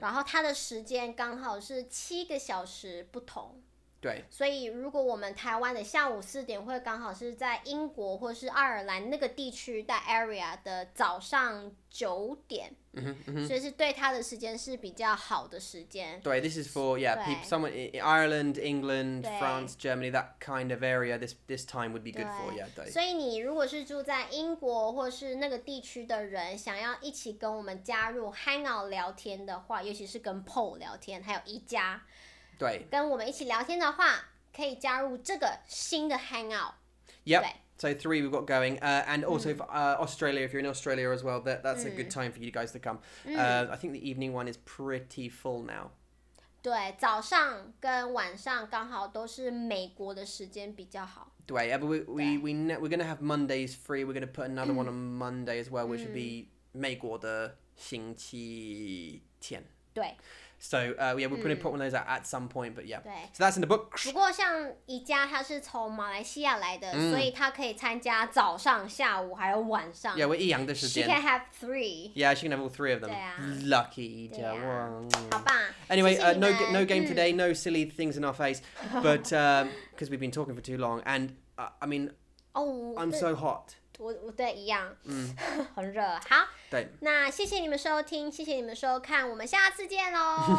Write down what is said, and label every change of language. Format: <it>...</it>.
<zh>然后他的时间刚好是七个小时不同。对。所以如果我们台湾的下午四点会刚好是在英国或是爱尔兰那个地区的 area 的早上九点， mm-hmm, mm-hmm. 所以是对他的时间是比较好的时间。</zh> <en>对 ，This is for someone in Ireland, England, France, Germany, that kind of area. This time would be good for yeah. 对。</en> <zh>所以你如果是住在英国或是那个地区的人，想要一起跟我们加入 Hangout 聊天的话，尤其是跟 Paul 聊天，还有一家。对，跟我们一起聊天的话，可以加入这个新的 Hangout。</zh> <en>Yep. So three we've got going, and also for Australia, if you're in Australia as well, that's a good time for you guys to come. I think the evening one is pretty full now.</en> <zh>对，早上跟晚上刚好都是美国的时间比较好。</zh> <en>对， yeah, but we're gonna have Mondays free. We're gonna put another one on Monday as well, which would be</en> <zh>美国的星期天。对。</zh> <en>So, yeah, we're going to put one of those out at some point, but yeah.</en> <zh>对。</zh> <en>So that's in the book.</en> <zh>不过像宜家他是从马来西亚来的，所以他可以参加早上、下午还有晚上。 Yeah, 一样的时间。</zh> <en>She can have three. Yeah, she can have all three of them.</en> <zh>对啊。</zh> <en>Lucky 宜家。</en> <zh>对啊。好棒。</zh> <en>Anyway,</en> <zh>谢谢你们。</zh> <en>no game today, no silly things in our face, but because we've been talking for too long, and I mean, oh, I'm so hot.</en> <zh>我对一样，很热。好，对，那谢谢你们收听，谢谢你们收看，我们下次见喽。</zh>